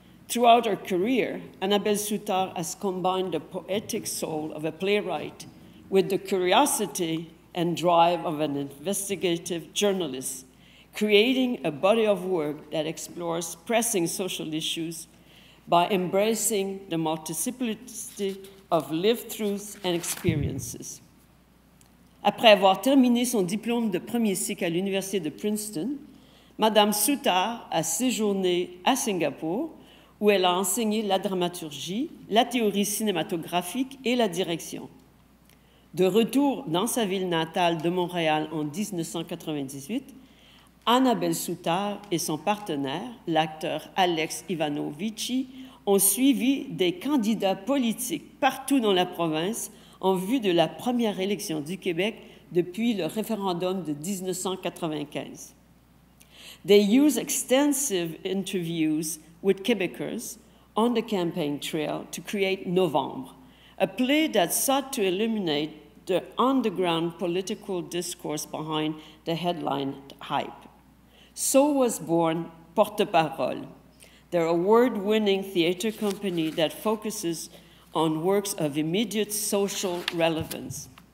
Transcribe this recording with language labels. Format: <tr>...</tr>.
<en>Throughout her career, Annabelle Souta has combined the poetic soul of a playwright with the curiosity and drive of an investigative journalist, creating a body of work that explores pressing social issues by embracing the multiplicity of lived truths and experiences.</en> <fr>Après avoir terminé son diplôme de premier cycle à l'Université de Princeton, Madame Souta a séjourné à Singapour, où elle a enseigné la dramaturgie, la théorie cinématographique et la direction. De retour dans sa ville natale de Montréal en 1998, Annabelle Souta et son partenaire, l'acteur Alex Ivanovici, ont suivi des candidats politiques partout dans la province en vue de la première élection du Québec depuis le référendum de 1995.</fr> <en>They use extensive interviews with Quebecers on the campaign trail to create Novembre, a play that sought to illuminate the underground political discourse behind the headline hype. So was born Porte-Parole, their award-winning theater company that focuses on works of immediate social relevance.</en>